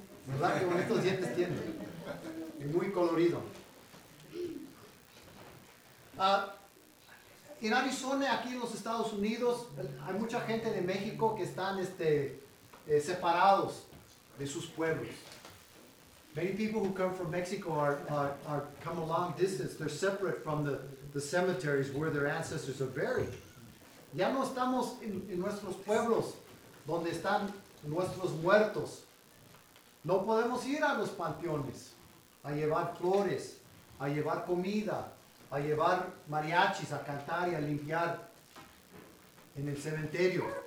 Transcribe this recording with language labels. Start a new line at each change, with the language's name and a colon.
Spanish: ¿Verdad? Qué bonitos dientes tiene. Y muy colorido. En Arizona, aquí en los Estados Unidos, hay mucha gente de México que están separados de sus pueblos.
English: Many people who come from Mexico are come a long distance. They're separate from the cemeteries where their ancestors are buried.
Spanish: Ya no estamos en nuestros pueblos donde están nuestros muertos. No podemos ir a los panteones a llevar flores, a llevar comida, a llevar mariachis, a cantar y a limpiar en el cementerio.